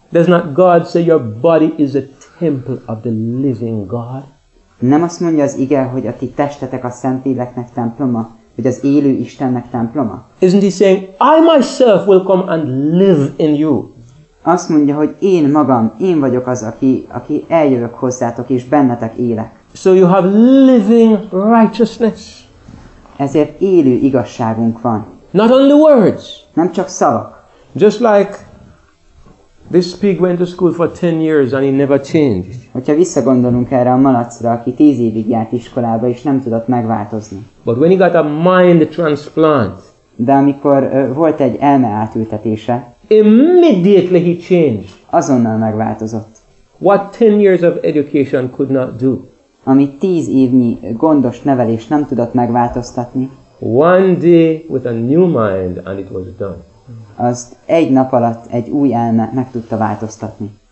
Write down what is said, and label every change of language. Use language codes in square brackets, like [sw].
[en] Does not God say your body is a temple of the living God? [hu] Nem azt mondja az ige, hogy a ti testetek a Szentléleknek temploma, vagy az élő Istennek temploma? [en] Isn't he saying, I myself will come and live in you? [hu] Azt mondja, hogy én magam, én vagyok az, aki eljövök hozzátok, és bennetek élek. [en] So you have living righteousness. [hu] Ezért élő igazságunk van. [en] Not only words. [hu] Nem csak szavak. [en] Just like this pig went to school for 10 years and he never changed. [hu] Hogyha visszagondolunk erre a malacra, aki 10 évig járt iskolába és nem tudott megváltozni. [en] But when he got a mind transplant. [hu] De amikor volt egy elme átültetése. [en] Immediately he changed. [hu] Azonnal megváltozott. [en] What 10 years of education could not do. [hu] Ami 10 évnyi gondos nevelés nem tudott megváltoztatni. [en] One day with a new mind and it was done. [hu] Azt egy nap alatt egy új elme meg tudta változtatni.